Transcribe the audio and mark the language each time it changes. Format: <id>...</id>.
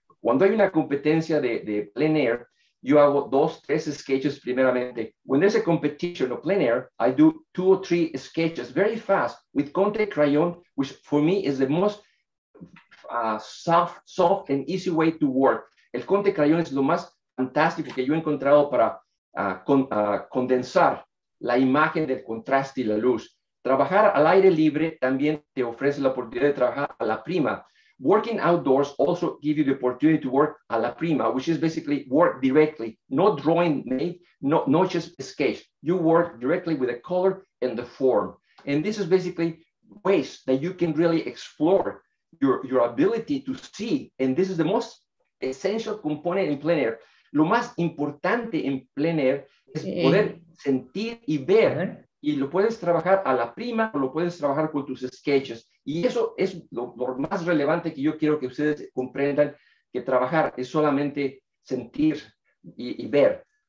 <es>Cuando hay una competencia de plein air, yo hago 2, 3 sketches primeramente.</es> <en>When there's a competition of plein air, I do 2 or 3 sketches very fast with Conte crayon, which for me is the most soft and easy way to work.</en> <es>El Conte crayon es lo más fantástico que yo he encontrado para condensar la imagen del contraste y la luz. Trabajar al aire libre también te ofrece la oportunidad de trabajar a la prima.</es> <en>Working outdoors also give you the opportunity to work a la prima, which is basically work directly, not drawing made, not just a sketch. You work directly with the color and the form. And this is basically ways that you can really explore your ability to see. And this is the most essential component in plein air.</en> <es>Lo más importante en plein air es poder sentir y ver. Y lo puedes trabajar a la prima o lo puedes trabajar con tus sketches. Y eso es lo más relevante que yo quiero que ustedes comprendan, que trabajar es solamente sentir y ver.</es>